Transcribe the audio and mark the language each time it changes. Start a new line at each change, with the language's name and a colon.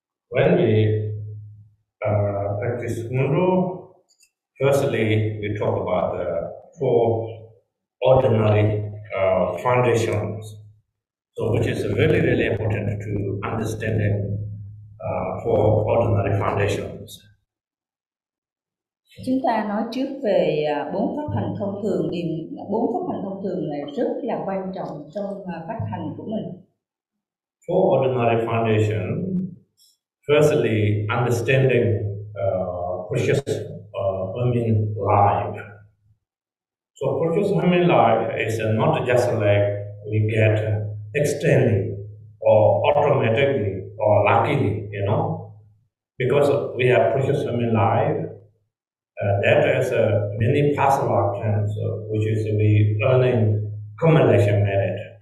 English: When we practice Mongo, firstly we talk about the four ordinary foundations. So which is really, really important to understand it. For ordinary foundations.
Vietnamese: Chúng ta nói trước về bốn pháp hành thông thường, thì bốn pháp hành thông thường này rất là quan trọng trong pháp hành của mình.
English: For ordinary foundation, firstly understanding precious human life. So precious human life is not just like we get externally or automatically or luckily, you know, because we have precious human life, that is a many past lifetimes, which is we earning accumulation merit.